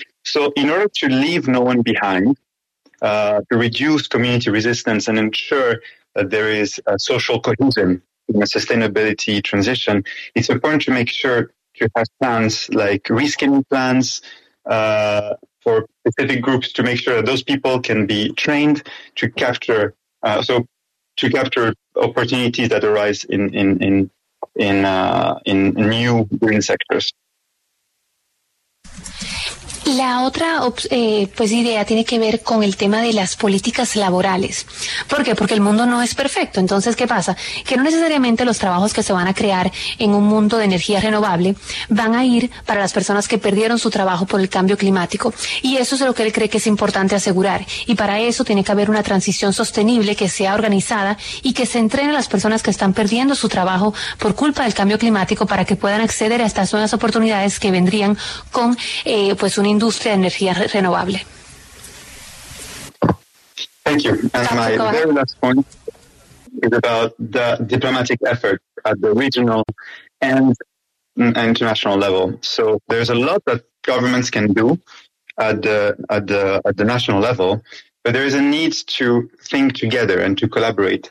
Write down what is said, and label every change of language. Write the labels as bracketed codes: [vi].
[en] So in order to leave no one behind, to reduce community resistance and ensure that there is a social cohesion in a sustainability transition, it's important to make sure to have plans like reskilling plans, for specific groups to make sure that those people can be trained to capture, to capture opportunities that arise in new green sectors. [es] La otra idea tiene que ver con el tema de las políticas laborales. ¿Por qué? Porque el mundo no es perfecto. Entonces, ¿qué pasa? Que no necesariamente los trabajos que se van a crear en un mundo de energía renovable van a ir para las personas que perdieron su trabajo por el cambio climático. Y eso es lo que él cree que es importante asegurar. Y para eso tiene que haber una transición sostenible que sea organizada y que se entrene a las personas que están perdiendo su trabajo por culpa del cambio climático para que puedan acceder a estas nuevas oportunidades que vendrían con una industria de energía renovable. [en] Thank you. And my very last point is about the diplomatic effort at the regional and international level. So there's a lot that governments can do at the national level, but there is a need to think together and to collaborate.